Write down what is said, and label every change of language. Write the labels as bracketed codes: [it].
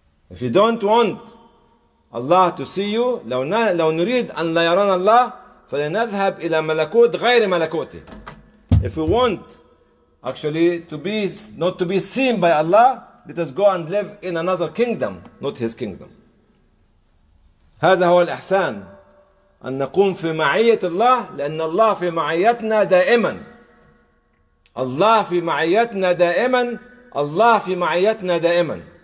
[en] If you don't want Allah to see you, [ar] لو نريد أن لا يرانا الله فلنذهب إلى ملكوت غير ملكوته. [en] If we want actually not to be seen by Allah, let us go and live in another kingdom, not his kingdom. [ar] هذا هو الإحسان، أن نقوم في معية الله، لأن الله في معيتنا دائما. الله في معيتنا دائما، الله في معيتنا دائما.